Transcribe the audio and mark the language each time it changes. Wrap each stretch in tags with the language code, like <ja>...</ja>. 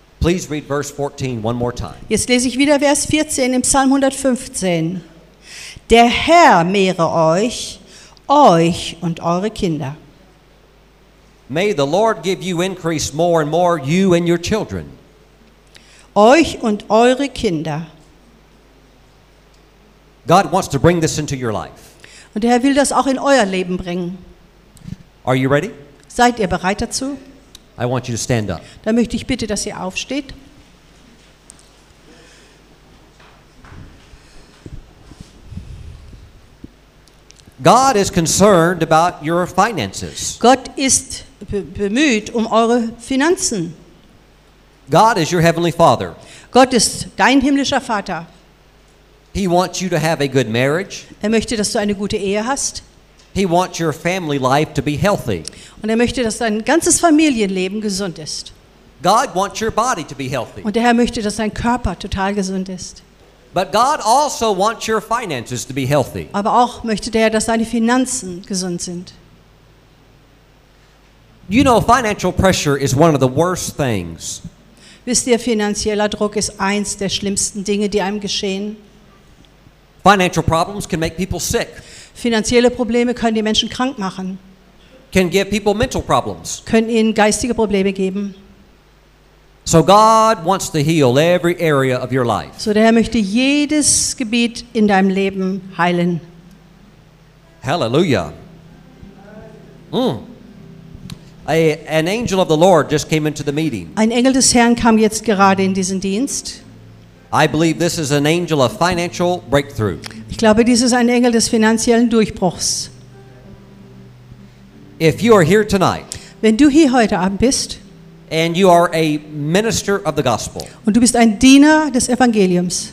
<en>Please read verse 14 one more time.</en> <de>Jetzt lese ich wieder Vers 14 im Psalm 115. Der Herr mehre euch. Euch und eure Kinder.</de> <en>May the Lord give you increase more and more, you and your children.</en> <de>Euch und eure Kinder.</de> <en>God wants to bring this into your life.</en> <de>Und der Herr will das auch in euer Leben bringen.</de> <en>Are you ready?</en> <de>Seid ihr bereit dazu?</de> <en>I want you to stand up.</en> <de>Dann möchte ich bitte, dass ihr aufsteht.</de> <en>God is concerned about your finances.</en> <de>Gott ist bemüht um eure Finanzen.</de> <en>God is your heavenly Father.</en> <de>Gott ist dein himmlischer Vater.</de> <en>He wants you to have a good marriage.</en> <de>Er möchte, dass du eine gute Ehe hast.</de> <en>He wants your family life to be healthy.</en> <de>Und er möchte, dass dein ganzes Familienleben gesund ist.</de> <en>God wants your body to be healthy.</en> <de>Und der Herr möchte, dass dein Körper total gesund ist.</de> <en>But God also wants your finances to be healthy.</en> <de>Aber auch möchte der, dass deine Finanzen gesund sind.</de> <en>You know, financial pressure is one of the worst things.</en> <de>Wisst ihr, finanzieller Druck ist eins der schlimmsten Dinge, die einem geschehen.</de> <en>Financial problems can make people sick.</en> <de>Finanzielle Probleme können die Menschen krank machen.</de> <en>Can give people mental problems.</en> <de>Können ihnen geistige Probleme geben.</de> <en>So God wants to heal every area of your life.</en> <de>So der Herr möchte jedes Gebiet in deinem Leben heilen.</de> <en>Hallelujah. An angel of the Lord just came into the meeting.</en> <de>Ein Engel des Herrn kam jetzt gerade in diesen Dienst.</de> <en>I believe this is an angel of financial breakthrough.</en> <de>Ich glaube, dies ist ein Engel des finanziellen Durchbruchs.</de> <en>If you are here tonight.</en> <de>Wenn du hier heute Abend bist,</de> <en>and you are a minister of the gospel.</en> <de>Und du bist ein Diener des Evangeliums.</de>